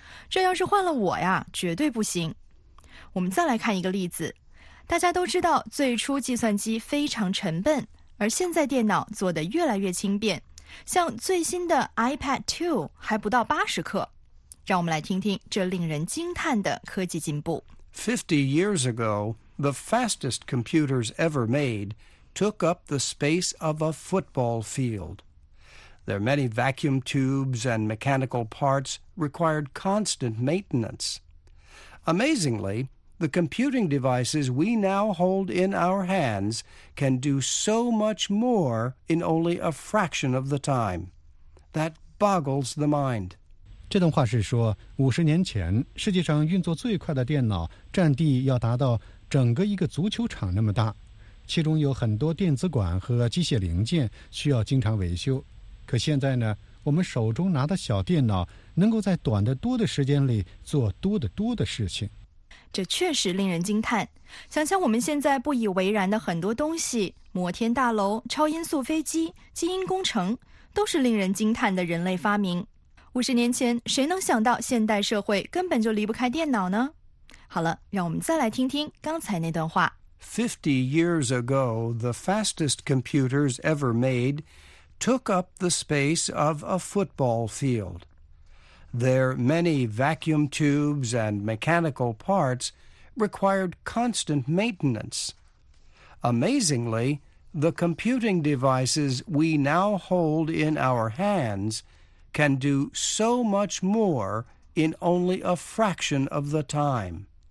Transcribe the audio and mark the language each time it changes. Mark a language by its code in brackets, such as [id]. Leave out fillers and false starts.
[zh] 这要是换了我呀，绝对不行。我们再来看一个例子。大家都知道，最初计算机非常沉笨，而现在电脑做得越来越轻便，像最新的 iPad 2还不到80克。让我们来听听这令人惊叹的科技进步。 [en] 50 years ago, the fastest computers ever made took up the space of a football field. Their many vacuum tubes and mechanical parts required constant maintenance. Amazingly, the computing devices we now hold in our hands can do so much more in only a fraction of the time. That boggles the mind. [zh] 这段话是说，50年前，世界上运作最快的电脑占地要达到整个一个足球场那么大，其中有很多电子管和机械零件需要经常维修。可现在呢，我们手中拿的小电脑能够在短得多的时间里做多得多的事情。这确实令人惊叹。想想我们现在不以为然的很多东西，摩天大楼、超音速飞机、基因工程，都是令人惊叹的人类发明。 50年前，谁能想到现代社会根本就离不开电脑呢？好了，让我们再来听听刚才那段话。 [en] 50 years ago, the fastest computers ever made took up the space of a football field. Their many vacuum tubes and mechanical parts required constant maintenance. Amazingly, the computing devices we now hold in our hands can do so much more in only a fraction of the time.